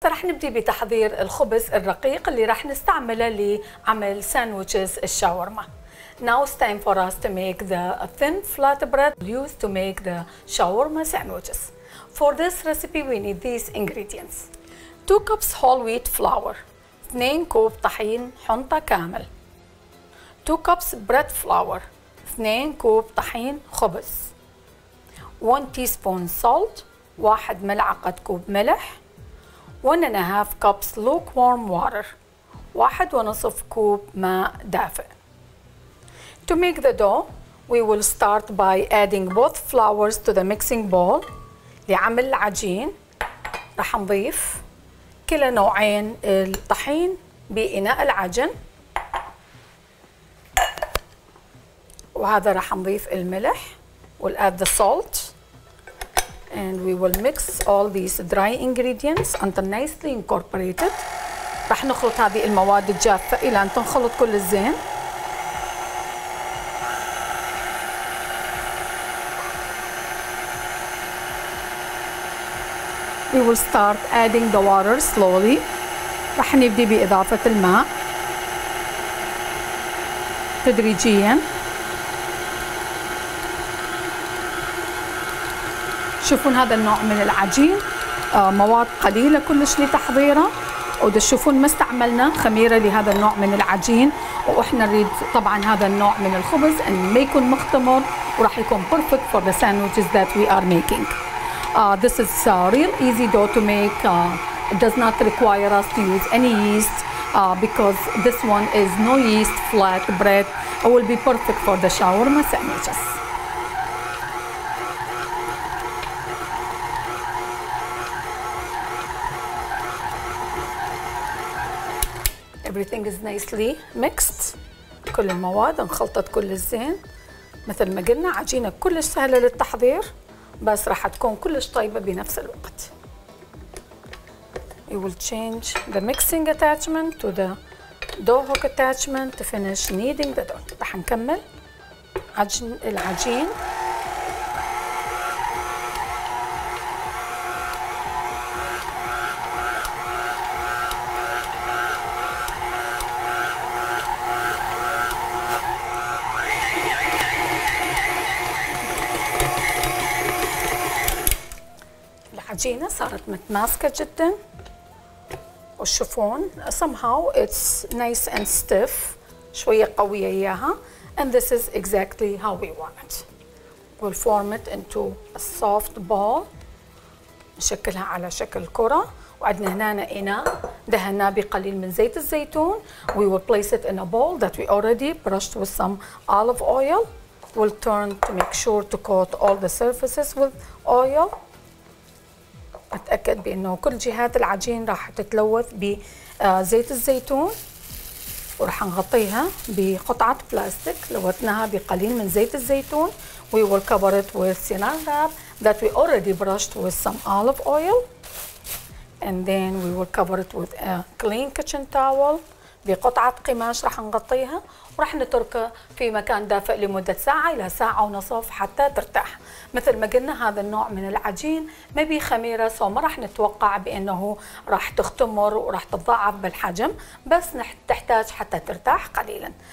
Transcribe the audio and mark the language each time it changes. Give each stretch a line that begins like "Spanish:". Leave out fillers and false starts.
Arabic: رح نبدأ بتحضير الخبز الرقيق اللي رح نستعمله لعمل ساندويتشز الشاورما.
English: Now it's time for us to make the thin flat bread used to make the shawarma sandwiches. For this recipe we need these ingredients. 2 cups whole wheat flour.
Arabic: 2 كوب طحين حنطة كامل.
English: 2 cups bread flour.
Arabic: 2 كوب طحين خبز.
English: 1 teaspoon salt.
Arabic: 1 ملعقة كوب ملح.
English: 1.5 cups lukewarm water.
Arabic: 1.5 كوب ماء دافئ.
English: To make the dough, we will start by adding both flours to the mixing bowl.
Arabic: لعمل العجين رح نضيف كلا نوعين الطحين بإناء العجن، وهذا رح نضيف الملح.
English: We'll add the salt and we will mix all these dry ingredients until nicely incorporated.
Arabic: رح نخلط هذه المواد الجافة إلى أن تنخلط كل الزين.
English: We will start adding the water slowly.
Arabic: رح نبدأ بإضافة الماء تدريجيا. شوفون هذا النوع من العجين مواد قليلة كلش لتحضيره، وتشوفون ما استعملنا خميرة لهذا النوع من العجين، وإحنا نريد طبعا هذا النوع من الخبز أن ما يكون مختمر ورح يكون
English: perfect for the sandwiches that we are making. This is a real easy dough to make. It does not require us to use any yeast because this one is no yeast flat bread. It will be perfect for the shawarma sandwiches. Everything is nicely mixed.
Arabic: كل المواد انخلطت كل الزين. مثل ما قلنا عجينة كلش سهلة للتحضير، بس راح تكون كلش طيبة بنفس الوقت.
English: We will change the mixing attachment to the dough hook attachment to finish kneading the dough.
Arabic: راح نكمل عجن العجين. العجينة صارت متماسكة جدا، وشوفون
English: somehow it's nice and stiff،
Arabic: شوية قوية إياها.
English: And this is exactly how we want it. We'll form it into a soft ball.
Arabic: نشكلها على شكل كرة، وعندنا هنا إناء دهناه بقليل من زيت الزيتون.
English: We will place it in a bowl that we already brushed with some olive oil. We'll turn to make sure to coat all the surfaces with oil.
Arabic: أتأكد بأنه كل جهات العجين راح تتلوث بزيت الزيتون، وراح نغطيها بقطعة بلاستيك لوثناها بقليل من زيت الزيتون.
English: We will cover it with saran wrap that we already brushed with some olive oil. And then we will cover it with a clean kitchen towel.
Arabic: بقطعة قماش راح نغطيها وراح نتركها في مكان دافئ لمدة ساعة إلى ساعة ونصف حتى ترتاح. مثل ما قلنا هذا النوع من العجين ما بيه خميرة، سو ما راح نتوقع بأنه راح تختمر وراح تتضاعف بالحجم، بس تحتاج حتى ترتاح قليلا.